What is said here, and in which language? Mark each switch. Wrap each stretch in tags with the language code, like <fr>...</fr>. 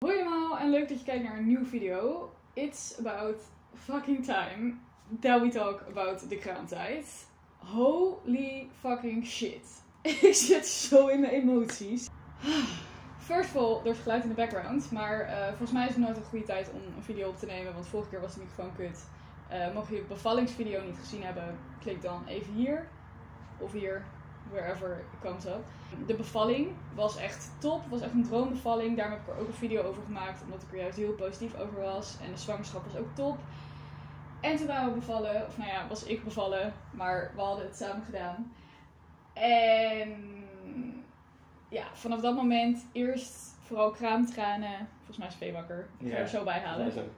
<nl>Hoi allemaal en leuk dat je kijkt naar een nieuwe video.</nl> <en>It's about fucking time that we talk about de kraamtijd. Holy fucking shit.</en> <nl>Ik zit zo in mijn emoties.</nl> <en>First of all,</en> <nl>er is geluid in de background. Maar volgens mij is het nooit een goede tijd om een video op te nemen. Want vorige keer was de microfoon kut. Mocht je de bevallingsvideo niet gezien hebben, klik dan even hier. Of hier.</nl> <en>Wherever it comes up.</en> <nl>De bevalling was echt top. Was echt een droombevalling. Daarom heb ik er ook een video over gemaakt. Omdat ik er juist heel positief over was. En de zwangerschap was ook top. En toen waren we bevallen. Of nou ja, was ik bevallen. Maar we hadden het samen gedaan. En ja, vanaf dat moment eerst vooral kraamtranen. Volgens mij is Vee wakker. Ik ga er zo bij halen.</nl>